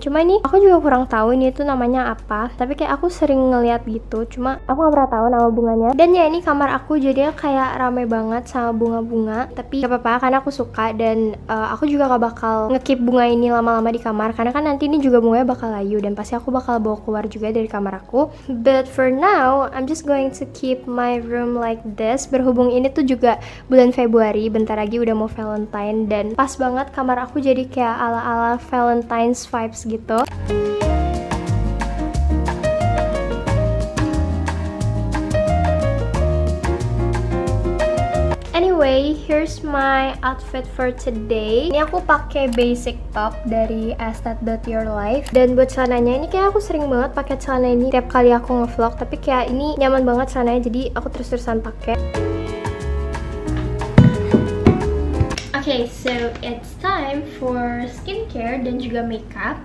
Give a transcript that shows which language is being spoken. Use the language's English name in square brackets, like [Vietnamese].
[Indonesian] Cuma ini aku juga kurang tahu ini tuh namanya apa. Tapi kayak aku sering ngeliat gitu, cuma aku gak pernah tahu nama bunganya. Dan ya, ini kamar aku jadinya kayak rame banget sama bunga-bunga. Tapi gak apa-apa, karena aku suka. Dan aku juga gak bakal ngekeep bunga ini lama-lama di kamar, karena kan nanti ini juga bunganya bakal layu, dan pasti aku bakal bawa keluar juga dari kamar aku. [English] But for now, I'm just going to keep my room like this. [Indonesian] Berhubung ini tuh juga bulan Februari, bentar lagi udah mau Valentine, dan pas banget kamar aku jadi kayak ala-ala Valentine's vibes gitu. [English] Anyway, here's my outfit for today. [Indonesian] Ini aku pakai basic top dari Estet.yourlife. Dan buat celananya, ini kayak aku sering banget pakai celana ini tiap kali aku ngevlog. Tapi kayak ini nyaman banget celananya, jadi aku terus-terusan pakai. [English] Okay, so it's time for skincare [Indonesian] dan juga [English] makeup.